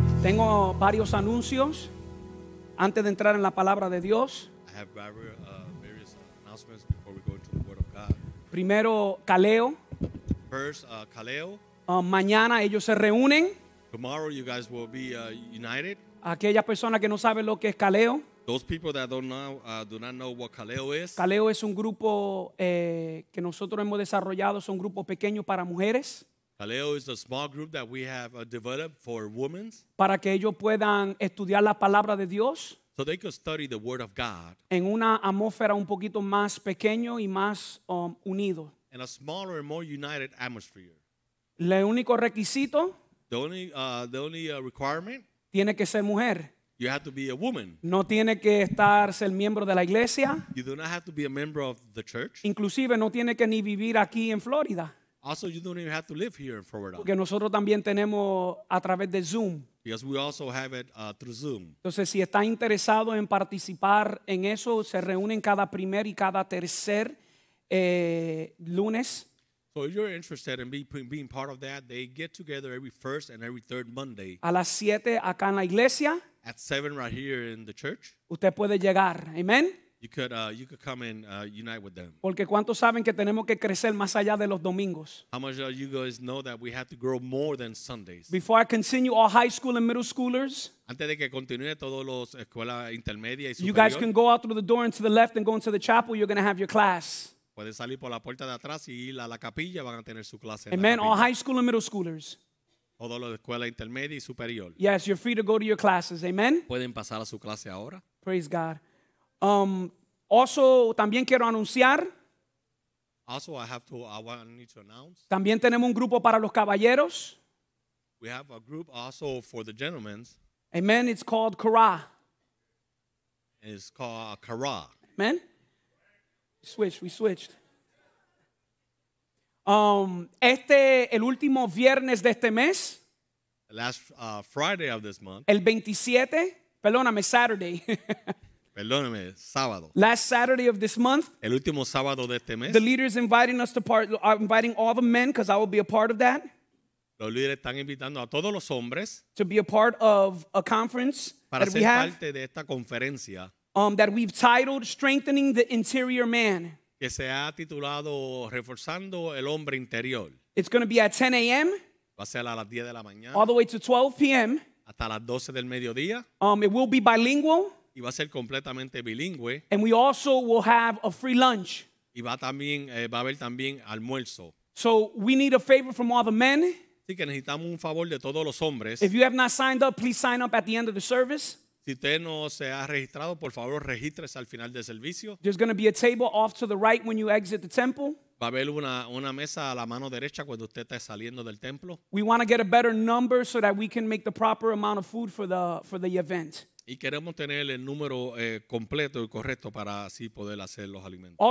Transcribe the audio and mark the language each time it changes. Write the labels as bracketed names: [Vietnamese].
[Spanish] Tengo varios anuncios antes de entrar en la palabra de Dios. [English] I have various announcements before we go to the word of God. [Spanish] Primero, Kaleo. [English] First, Kaleo. [Spanish] Mañana ellos se reúnen. [English] Tomorrow you guys will be united. [Spanish] Aquellas personas que no saben lo que es Kaleo. [English] Those people that don't know, do not know what Kaleo is. [Spanish] Kaleo es un grupo que nosotros hemos desarrollado. Son grupos pequeños para mujeres. [English] Kaleo is a small group that we have developed for women. [Spanish] Para que ellos puedan estudiar la palabra de Dios. [English] So they could study the word of God. [Spanish] En una atmósfera un poquito más pequeño y más unido. [English] In a smaller and more united atmosphere. [Spanish] Le único requisito. [English] The only requirement. [Spanish] Tiene que ser mujer. [English] You have to be a woman. [Spanish] No tiene que estar ser miembro de la iglesia. [English] You do not have to be a member of the church. [Spanish] Inclusive no tiene que ni vivir aquí en Florida. [English] Also, you don't even have to live here in Florida. [Spanish] Porque nosotros también tenemos a través de Zoom. [English] Because we also have it through Zoom. [Spanish] Entonces, si está interesado en participar en eso, se reúnen cada primer y cada tercer lunes. [English] So if you're interested in being part of that, they get together every first and every third Monday. [Spanish] A las 7 acá en la iglesia. [English] At 7 right here in the church. [Spanish] Usted puede llegar. Amen. [English] You could come and unite with them. [Spanish] Porque cuántos saben que tenemos que crecer más allá de los domingos. [English] How much do you guys know that we have to grow more than Sundays? Before I continue, all high school and middle schoolers. [Spanish] Antes de que continúe todos los escuela intermedia y superior. [English] You guys can go out through the door and to the left and go into the chapel. You're going to have your class. [Spanish] Pueden salir por la puerta de atrás y ir a la capilla. Van a tener su clase. [English] Amen. All high school and middle schoolers. [Spanish] Todos los de escuela intermedia y superior. [English] Yes, you're free to go to your classes. Amen. [Spanish] Pueden pasar a su clase ahora. [English] Praise God. Also, [Spanish] también quiero anunciar. [English] Also, I need to announce. [Spanish] También tenemos un grupo para los caballeros. [English] We have a group also for the gentlemen. Amen. It's called Kara. It's called Kara. Amen. We switched. [Spanish] El último viernes de este mes. [English] Last Friday of this month. [Spanish] El 27. Perdóname, Saturday. Perdóname, sábado. [English] Last Saturday of this month. [Spanish] El último sábado de este mes. [English] The leader is inviting us to part, inviting all the men, because I will be a part of that. [Spanish] Los líderes están invitando a todos los hombres. [English] To be a part of a conference [Spanish] para [English] that we have. [Spanish] Para ser parte de esta conferencia. [English] That we've titled Strengthening the Interior Man. [Spanish] Que se ha titulado Reforzando el Hombre Interior. [English] It's going to be at 10 a.m. [Spanish] Va a ser a las 10 de la mañana. [English] All the way to 12 p.m. [Spanish] Hasta las 12 del mediodía. [English] It will be bilingual. [Spanish] Y va a ser completamente bilingüe. [English] And we also will have a free lunch. [Spanish] Y va también, va a haber también almuerzo. [English] So we need a favor from all the men. [Spanish] Así que necesitamos un favor de todos los hombres. [English] If you have not signed up, please sign up at the end of the service. [Spanish] Si usted no se ha registrado, por favor, regístrese al final del servicio. [English] There's going to be a table off to the right when you exit the temple. [Spanish] Va a haber una mesa a la mano derecha cuando usted está saliendo del templo. [English] We want to get a better number so that we can make the proper amount of food for the event. [Spanish] Y queremos tener el número completo y correcto para así poder hacer los alimentos.